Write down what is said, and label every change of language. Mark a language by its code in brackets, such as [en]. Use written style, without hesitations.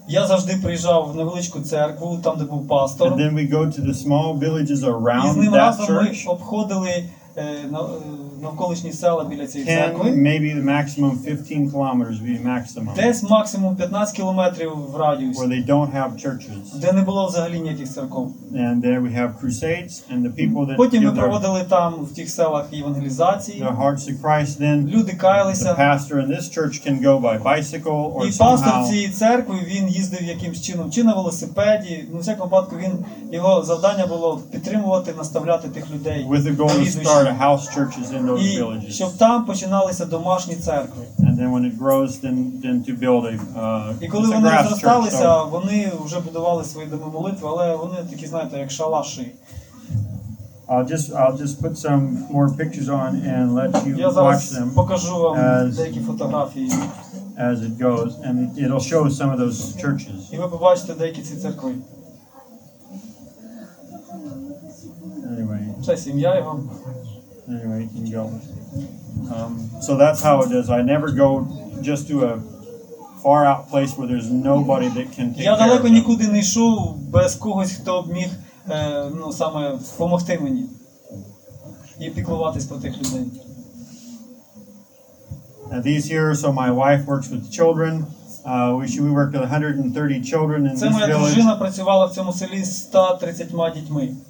[uk] Я завжди приїжджав в невеличку церкву, там де був пастор. [en] And then we go to the small villages around church. [uk] І з ним разом ми обходили навколишні села біля цієї церкви. [en] Maybe the maximum 15 kilometers would be maximum. [uk] Десь максимум 15 кілометрів в радіусі. [en] Where they don't have churches. [uk] Де не було взагалі ніяких церков. [en] And there we have crusades and the people that. [uk] Потім ми проводили там в тих селах євангелізації. [en] The hearts of Christ, then. [uk] Люди каялися. [en] The pastor in this church can go by bicycle or somehow. [uk] І пастор цієї церкви, він їздив якимсь чином, чи на велосипеді, ну, в всякому випадку, він його завдання було підтримувати, наставляти тих людей. [en] With the goal to start a house church in those villages. [uk] І щоб там починалися домашні церкви. [en] And then when it grows, then to build a grass. [uk] І коли вони зросталися, вони вже будували свої доми молитви, але вони такі, знаєте, як шалаші. [en] I'll just put some more pictures on and let you watch them. [uk] Я зараз покажу вам деякі фотографії. [en] As it goes, and it'll show some of those churches. [uk] І ви побачите деякі ці церкви. [en] Anyway. [uk] Це сім'я його. [en] Anyway, you can go. So that's how it is. I never go just to a far out place where there's nobody that can take care of me. [uk] Я далеко нікуди не йшов без когось, хто б міг, ну, саме допомогти мені і піклуватись про тих людей. [en] And these here, so my wife works with the children. We worked with 130 children in village. [uk] Це моя дружина працювала в цьому селі з 130 дітьми.